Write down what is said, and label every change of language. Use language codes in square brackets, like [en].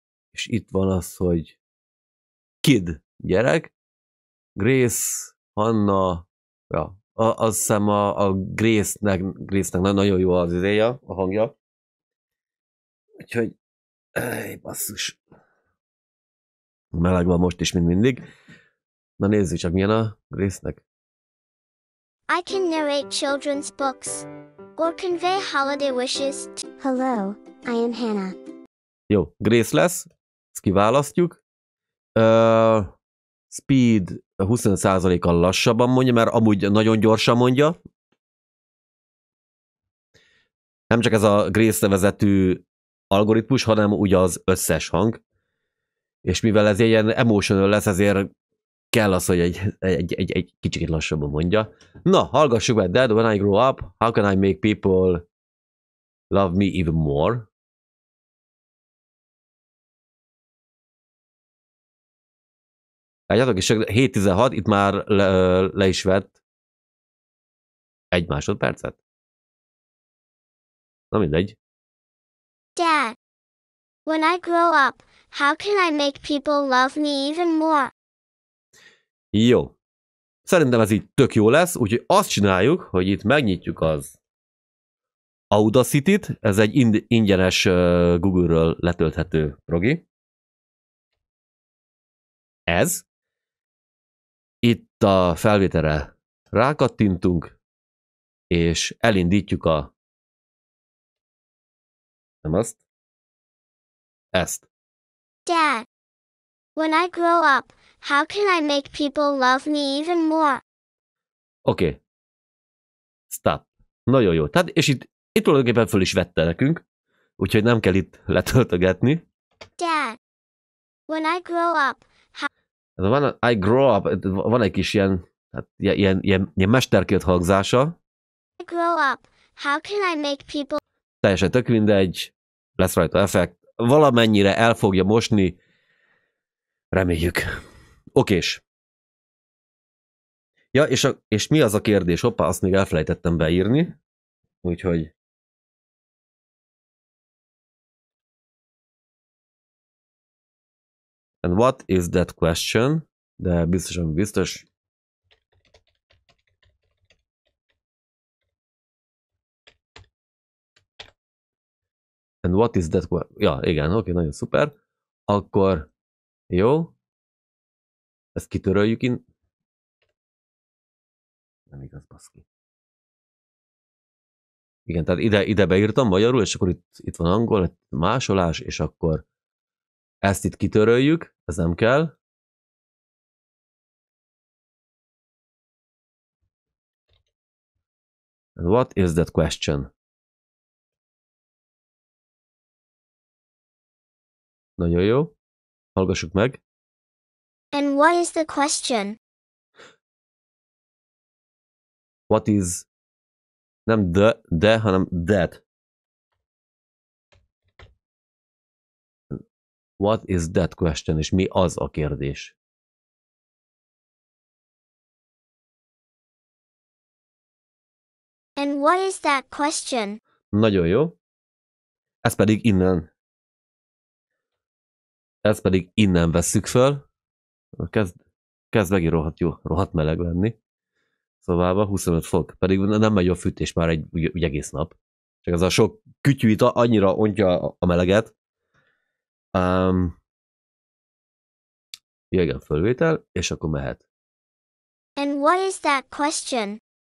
[hu] És itt van az, hogy kid, gyerek, Grace, Hanna, ja. Azt hiszem a Grace-nek nagyon jó az ideje, a hangja. Úgyhogy, basszus. Meleg van most is, mint mindig. Na nézzük csak, milyen a Grace-nek. [en] I can narrate children's books or convey holiday wishes to... Hello, I am Hannah. [hu] Jó, Grace lesz. Ezt kiválasztjuk. Speed 25%-kal lassabban mondja, mert amúgy nagyon gyorsan mondja. Nem csak ez a Grace nevezetű algoritmus, hanem ugye az összes hang. És mivel ez ilyen emotional lesz, ezért kell az, hogy egy kicsit lassabban mondja. Na, hallgassuk meg, [en] Dad, when I grow up, how can I make people love me even more? [hu] Látjátok, és 7.16, itt már le is vett egy másodpercet. Na mindegy. [en] Dad, when I grow up, how can I make people love me even more? [hu] Jó. Szerintem ez így tök jó lesz, úgyhogy azt csináljuk, hogy itt megnyitjuk az Audacity-t, ez egy ingyenes Google-ről letölthető progi. Ez. Itt a felvételre rákattintunk, és elindítjuk a... Nem azt? Ezt. [en] Dad, when I grow up, how can I make people love me even more? [hu] Oké. [en] Okay. Stop. [hu] Nagyon jó. Tehát, és itt tulajdonképpen föl is vette nekünk. Úgyhogy nem kell itt letöltögetni. [en] Dad, when I grow up, how... [hu] Van, [en] I grow up, [hu] van egy kis ilyen, hát ilyen mesterkélt hangzása. [en] I grow up, how can I make people... [hu] Teljesen tök mindegy, lesz rajta effekt. Valamennyire el fogja mosni, reméljük. Okés. Ja, és mi az a kérdés? Hoppá, azt még elfelejtettem beírni. Úgyhogy... [en] And what is that question? [hu] De biztosan biztos. [en] And what is that question? [hu] Ja, igen, oké, nagyon szuper. Akkor jó. Ezt kitöröljük in. Nem igaz, baszki. Igen, tehát ide beírtam magyarul, és akkor itt van angol, másolás, és akkor ezt itt kitöröljük, ez nem kell. [en] And what is that question? [hu] Nagyon jó. Hallgassuk meg. [en] And what is the question? What is... [hu] Nem de, hanem that. [en] What is that question? [hu] És mi az a kérdés? [en] And what is that question? [hu] Nagyon jó. Ez pedig innen vesszük föl. Kezd megint rohadt jó, rohadt meleg lenni. Szobában 25 fok, pedig nem megy a fűtés már egy egész nap. Csak ez a sok kütyű itt annyira ontja a meleget. Ja, igen, fölvétel, és akkor mehet. [en] And what is that question?